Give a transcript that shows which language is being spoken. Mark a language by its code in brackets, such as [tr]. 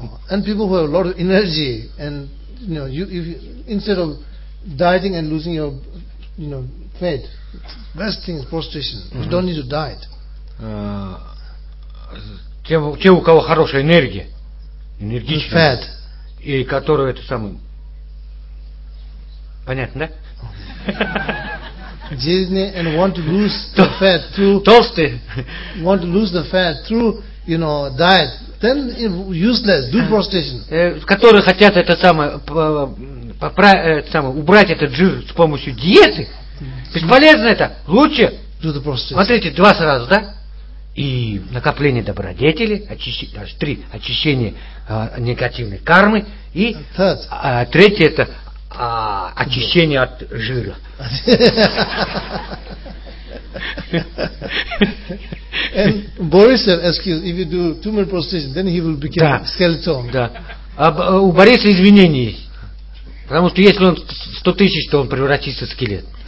[en] And people who have a lot of energy, and you know, you, if you, instead of dieting and losing your, you know, fat, best thing is prostration. You don't need to diet. [ru] Те, у кого хорошая энергия, энергичная, и которые это самое, понятно, да? [en] Disney and want to lose the fat through [ru] толстые, [en] want to lose the fat through, you know, diet. Then useless. Do prostration. [ru] Которые хотят это самое, это самое убрать этот жир с помощью диеты. Бесполезно это. Лучше. [en] Do the prostration. [ru] Смотрите, два сразу, да? И накопление добродетели, очищение негативной кармы. И третье это очищение от жира. [en] And Boris asks if you do too much prostration, then he will become skeleton. [ru] Да. У Бориса извинений, потому что если он 100 тысяч, то он превратится в скелет.